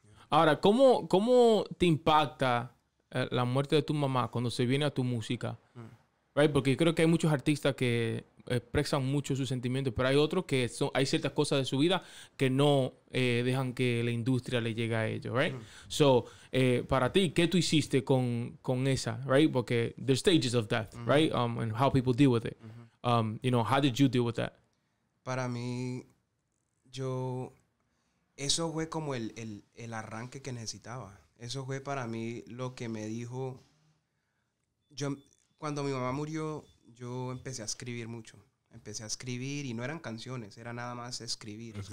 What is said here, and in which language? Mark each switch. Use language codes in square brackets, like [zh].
[es] Ahora, ¿cómo te impacta la muerte de tu mamá cuando se viene a tu música? Right? Porque yo creo que hay muchos artistas que expresan mucho sus sentimientos, pero hay otros que hay ciertas cosas de su vida que no dejan que la industria le llegue a ellos. Right? So, para ti, ¿qué tú hiciste con esa? Right? [en] Porque there's stages of death, right? And how people deal with it. You know, how did you deal with that? [es] Para mí, eso fue como el arranque que necesitaba. Eso fue para mí lo que me dijo. Cuando mi mamá murió, yo empecé a escribir mucho. Empecé a escribir y no eran canciones, era nada más escribir.